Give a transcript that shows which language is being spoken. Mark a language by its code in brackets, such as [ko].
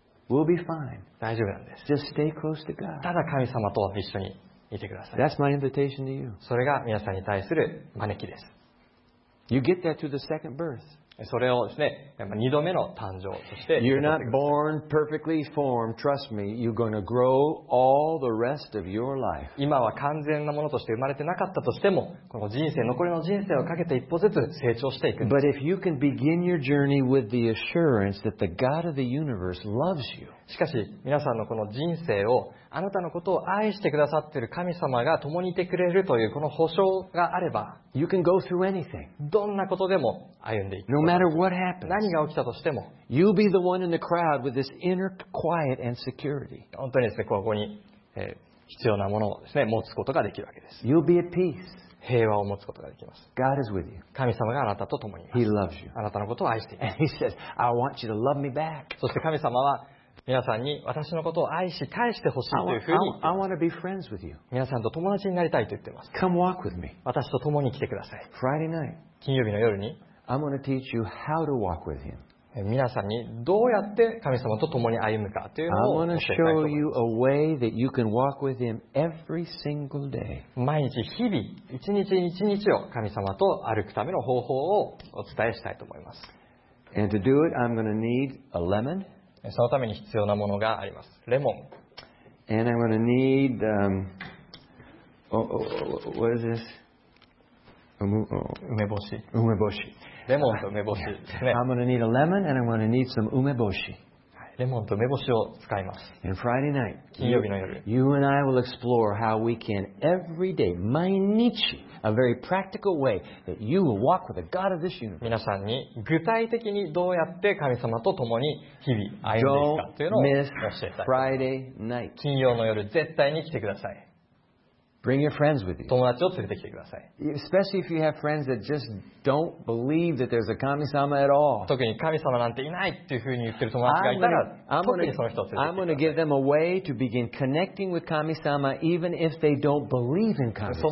[en] We'll be fine. [ja] 大丈夫なんです。 [en] Just stay close to God. [ja] ただ神様と一緒に。 [en] That's my invitation to you. [ja] それが皆さんに対する招きです。 [en] You get that through the second birth. [ja] それをですね、二度目の誕生として。 [en] You're not born perfectly formed. Trust me, you're going to grow all the rest of your life. [ja] 今は完全なものとして生まれてなかったとしても、この人生残りの人生をかけて一歩ずつ成長していくんです。 [en] But if you can begin your journey with the assurance that the God of the universe loves you. [ja] しかし皆さんのこの人生をあなたのことを愛してくださっている神様が共にいてくれるというこの保証があれば [en] you can go through anything. [ja] どんなことでも歩んでいく [en] no matter what happens. [ja] 何が起きたとしても [en] You'll be the one in the crowd with this inner quiet and security. [ja] 本当にですね、ここに、必要なものをですね、持つことができるわけです [en] You'll be at peace. [ja] 平和を持つことができます [en] God is with you. [ja] 神様があなたと共にいます [en] He loves you. [ja] あなたのことを愛しています [en] And he says, I want you to love me back. [ja] そして神様は皆さんに私のことを愛し返してほしいというふうに [en] I want to be friends with you. [ja] 皆さんと友達になりたいと言っています [en] Come walk with me. [ja] 私と共に来てください [en] Friday night. [ja] 金曜日の夜に [en] I'm going to teach you how to walk with him. [ja] 皆さんにどうやって神様と共に歩むかというのを [en] I want to show you a way that you can walk with him every single day. [ja] 毎日日々一日一日を神様と歩くための方法をお伝えしたいと思います [en] And to do it, I'm going to need a lemon. [ja] そのために必要なものがあります。レモン。 [en] And I'm going to need, what is this? [ja] 梅干し。梅干し。レモンと梅干しですね。 [en] I'm going to need a lemon and I'm going to need some 梅干し。 [ja] レモンと梅干しを使います。 [en] And Friday night, [ja] 金曜日の夜、 [en] you and I will explore how we can every day, 毎日、a very practical way that you will walk with the God of this universe. [ja] 皆さんに具体的にどうやって神様と共に日々歩んでいくかというのを教えたい。 [en] Friday night, [ja] 金曜の夜、絶対に来てください。 [en] Bring your friends with you. [ja] 友達を連れてきてください。 [en] Especially if you have friends that just don't believe that there's a 神様 at all. [ja] 特に神様なんていないっていうふうに言ってる友達がいたら、特にその人を連れてきてください。 [en] I'm going to give them a way to begin connecting with 神様 even if they don't believe in 神様。